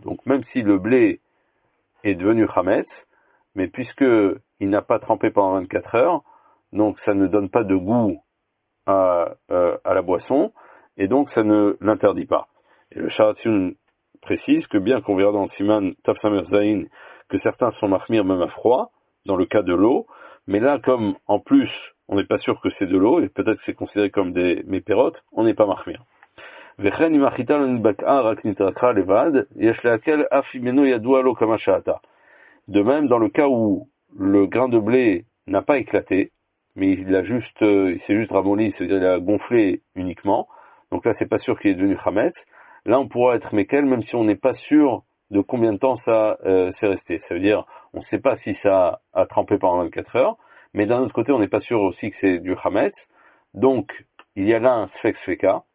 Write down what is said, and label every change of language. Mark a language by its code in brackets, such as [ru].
[fr] Donc même si le blé est devenu chametz, mais puisque il n'a pas trempé pendant 24 heures, donc ça ne donne pas de goût à la boisson, et donc ça ne l'interdit pas. Et le Sharatsun précise que bien qu'on verra dans le Siman Tafsamerzain que certains sont mahmir même à froid, dans le cas de l'eau, mais là comme en plus on n'est pas sûr que c'est de l'eau, et peut-être que c'est considéré comme des mépérotes, on n'est pas mahmir. [he] וכן אם החיטה לא נתבקעה, רק נתרקה לבד, יש להקל אף אם אינו ידוע לו כמה שעתה. [fr] De même, dans le cas où le grain de blé n'a pas éclaté, mais il s'est juste ramolli, c'est-à-dire il a gonflé uniquement, donc là c'est pas sûr qu'il est devenu chametz, là on pourra être mekel, même si on n'est pas sûr de combien de temps ça s'est resté. Ça veut dire, on ne sait pas si ça a trempé pendant 24 heures, mais d'un autre côté on n'est pas sûr aussi que c'est du chametz, donc il y a là un sfek-sfeka.